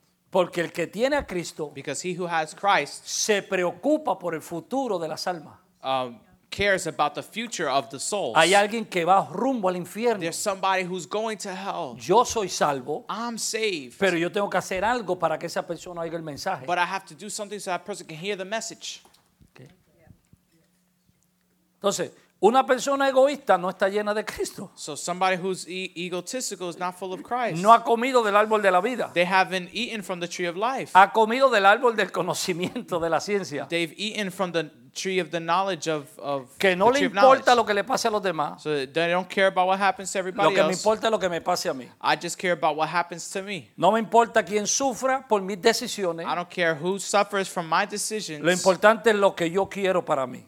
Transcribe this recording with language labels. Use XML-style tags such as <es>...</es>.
<es>Porque el que tiene a Cristo,</es> <en>because he who has Christ,</en> <es>se preocupa por el futuro de las almas.</es> <en>Cares about the future of the souls.</en> <es>Hay alguien que va rumbo al infierno.</es> <en>There's somebody who's going to hell.</en> <es>Yo soy salvo.</es> <en>I'm saved.</en> <es>Pero yo tengo que hacer algo para que esa persona oiga el mensaje.</es> <en>But I have to do something so that person can hear the message. Okay.</en> <es>Entonces, una persona egoísta no está llena de Cristo.</es> <en>So somebody who's egotistical is not full of Christ.</en> <es>No ha comido del árbol de la vida.</es> <en>They haven't eaten from the tree of life.</en> <es>Ha comido del árbol del conocimiento de la ciencia.</es> <en>They've eaten from the tree of the knowledge of</en> <es>que no le importa lo que le pase a los demás.</es> <en>So they don't care about what happens to everybody else.</en> <es>Lo que</es> <en>else.</en> <es>Me importa es lo que me pase a mí.</es> <en>I just care about what happens to me.</en> <es>No me importa quién sufra por mis decisiones.</es> <en>I don't care who suffers from my decisions.</en> <es>Lo importante es lo que yo quiero para mí.</es>